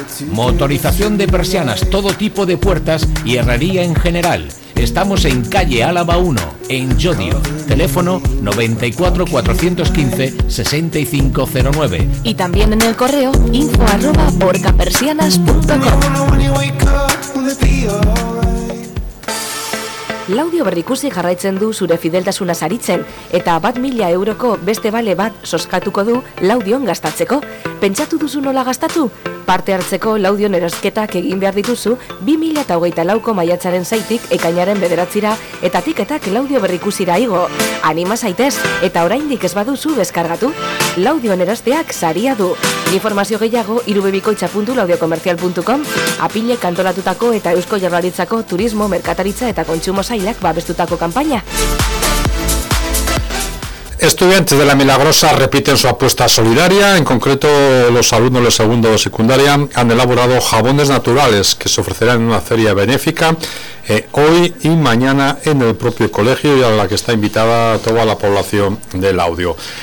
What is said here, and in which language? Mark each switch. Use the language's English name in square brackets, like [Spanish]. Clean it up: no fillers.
[Spanish] Motorización de persianas, todo tipo de puertas y herrería en general. Estamos en calle Álava 1, en Llodio. Teléfono 94-415-6509. Y también en el correo info@borcapersianas.com. [Basque] Laudio Berrikusi jarraitzen du zure fideltasuna saritzen, eta bat mila euroko beste bale bat soskatuko du Laudion gastatzeko. Pentsatu duzu nola gastatu? Parte hartzeko Laudion erosketak egin behar dituzu 2024ko maiatzaren 6tik ekainaren 9ra eta tiketak Laudio Berrikusira igo. Anima zaitez eta oraindik ez baduzu deskargatu? Laudion erosteak saria du. Informazio gehiago irubebikoitza.laudiokomercial.com. Apilek antolatutako eta Eusko Jaurlaritzako turismo, merkataritza eta kontsumo Sailak babestutako kanpaina. [Spanish] Estudiantes de La Milagrosa repiten su apuesta solidaria. En concreto, los alumnos de segundo de secundaria han elaborado jabones naturales que se ofrecerán en una feria benéfica hoy y mañana en el propio colegio, y a la que está invitada toda la población del audio.